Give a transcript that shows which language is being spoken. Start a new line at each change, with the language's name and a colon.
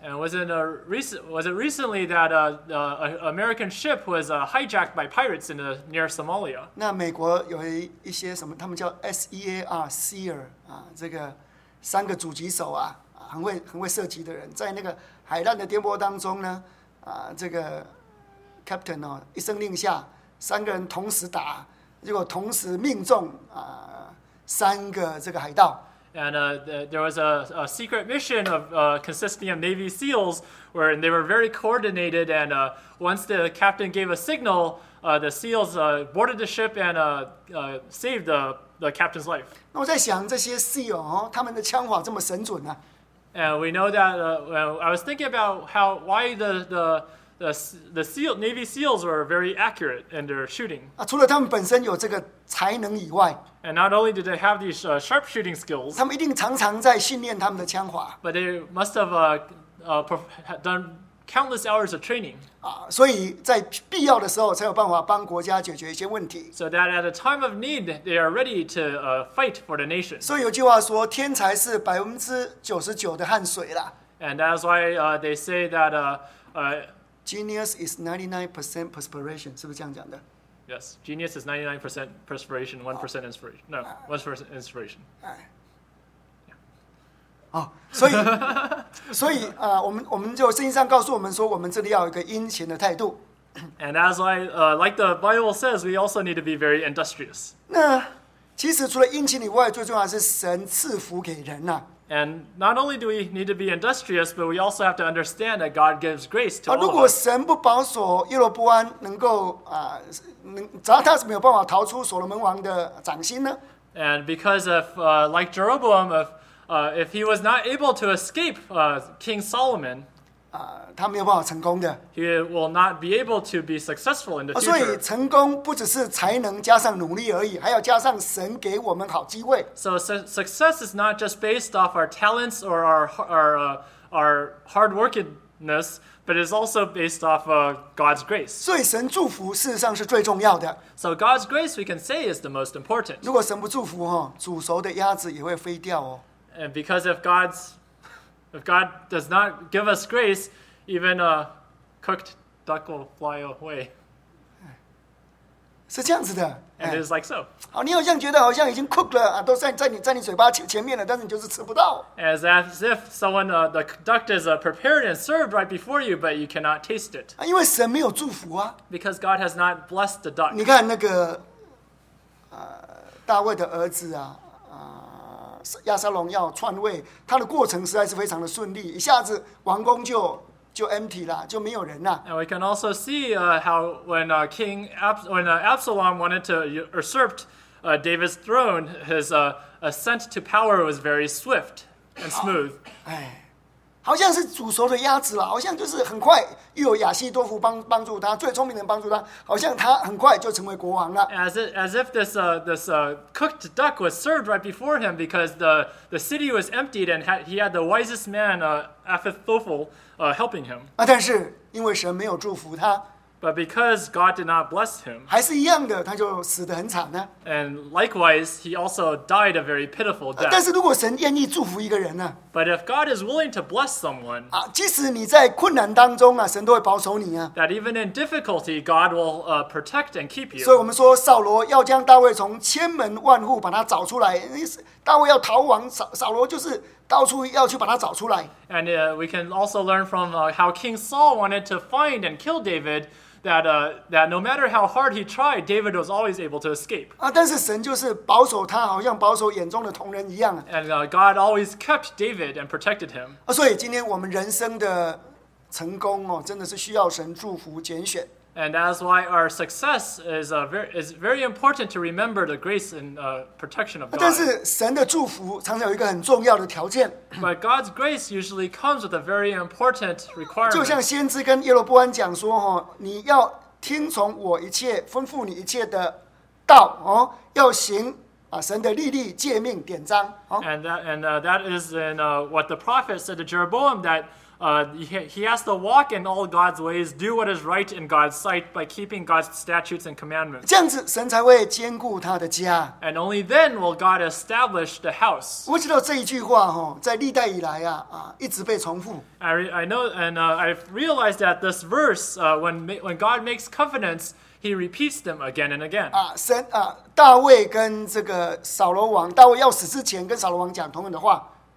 English: And was it recently that an American ship was hijacked by pirates near Somalia?
Chinese: 那美国有一些什么，他们叫 SEAR SEAR 啊，这个三个狙击手啊，很会射击的人，在那个海难的颠簸当中呢，啊，这个 Captain 哦，一声令下。三个人同时打，结果同时命中啊、三个这个海盗。
English: And there was a secret mission of consisting of Navy SEALs, where they were very coordinated. And once the captain gave a signal, the SEALs boarded the ship and saved the captain's life.
Chinese: 那我在想这些 SEAL 哦，他们的枪法这么神准呢、啊、
English: ？And we know that. I was thinking about why the SEAL, Navy SEALs were very accurate in their shooting.
Chinese: 啊，除了他们本身有这个才能以外
English: ，and not only did they have these sharp shooting skills,
Chinese: 他们一定常常在训练他们的枪法。
English: But they must have done countless hours of training.
Chinese: 啊，所以在必要的时候才有办法帮国家解决一些问题。
English: So that at a time of need, they are ready to fight for the nation.
Chinese: 所以有句话说，天才是99%的汗水啦。
English: And that's why they say that Genius is 99% perspiration,
Chinese: 是不是这样讲的？
English: Yes, genius is 99% perspiration, 1% inspiration. No, 1% inspiration.
Chinese: 哦，所以我们就圣经上告诉我们说，我们这里要有一个殷勤的态度。
English: And as I like the Bible says, we also need to be very industrious.
Chinese: 那其实除了殷勤以外，最重要的是神赐福给人呐、啊。
English: And not only do we need to be industrious, but we also have to understand that God gives grace to all of us.
Chinese: 如果神不保守耶罗波安能够只要他是没有办法逃出所罗门王的掌心呢？
English: And because of, like Jeroboam, if he was not able to escape King Solomon,
Chinese: 他没有办法成功的。
English: He will not be able to be successful in the future.
Chinese: 所以成功不只是才能加上努力而已，还要加上神给我们好机会。
English: So success is not just based off our talents or our hardworkingness, but is also based off God's grace.
Chinese: 所以神祝福事实上是最重要的。
English: So God's grace, we can say, is the most important.
Chinese: 如果神不祝福哈，煮熟的鸭子也会飞掉哦。
English: And because of God'sIf God does not give us grace, even a cooked duck will fly away.
Chinese: 是这样子的。
English: And it is like so.
Chinese: 好，你好像觉得好像已经 cooked 了啊，都在你嘴巴前面了，但是你就是吃不到。
English: As if someone the duck is prepared and served right before you, but you cannot taste it.
Chinese: 啊，因为神没有祝福啊。
English: Because God has not blessed the duck.
Chinese: 你看那个大卫的儿子啊，亚沙龙要篡位，他的过程实在是非常的顺利，一下子王宫就 empty 了，就没有人了。
English: And we can also see how when King Absalom wanted to usurp David's throne, his ascent to power was very swift and smooth.
Chinese: 好像是煮熟的鸭子了，好像就是很快又有亚西多夫帮助他，最聪明的人帮助他，好像他很快就成为国王了。
English: As if this cooked duck was served right before him, because the city was emptied and he had the wisest man Ahithophel helping him.
Chinese: 但是因为神没有祝福他。
English: But because God did not bless him,
Chinese: 还是一样的，他就死得很惨呢。
English: And likewise, he also died a very pitiful death.
Chinese: 但是如果神愿意祝福一个人呢？
English: But if God is willing to bless someone,
Chinese: 即使你在困难当中啊，神都会保守你啊。
English: That even in difficulty, God will protect and keep you.
Chinese: 所以我们说，扫罗要将大卫从千门万户把他找出来，大卫要逃亡，扫罗就是。到处要去把他找出来。
English: And we can also learn from how King Saul wanted to find and kill David, that no matter how hard he tried, David was always able to escape.
Chinese: 但是神就是保守他，好像保守眼中的瞳人一样。
English: And God always kept David and protected him.
Chinese: 所以今天我们人生的成功哦，真的是需要神祝福拣选。
English: And that's why our success is very important to remember the grace and protection of God.
Chinese: 但是神的祝福常常有一个很重要的条件。
English: But God's grace usually comes with a very important requirement.
Chinese: 就像先知跟耶罗波安讲说，哦，你要听从我一切吩咐你一切的道，哦，要行神的律例、诫命、典章，哦。
English: And that is in what the prophet said to Jeroboam that. He has to walk in all God's ways, do what is right in God's sight by keeping God's statutes and commandments.
Chinese: 这样子神才会坚固他的家。
English: And only then will God establish the house.
Chinese: 我知道这一句话，在历代以来一直被重复。
English: I've realized that this verse, when God makes covenants, he repeats them again and again.
Chinese: 大卫跟这个扫罗王，大卫要死之前跟扫罗王讲同样的话。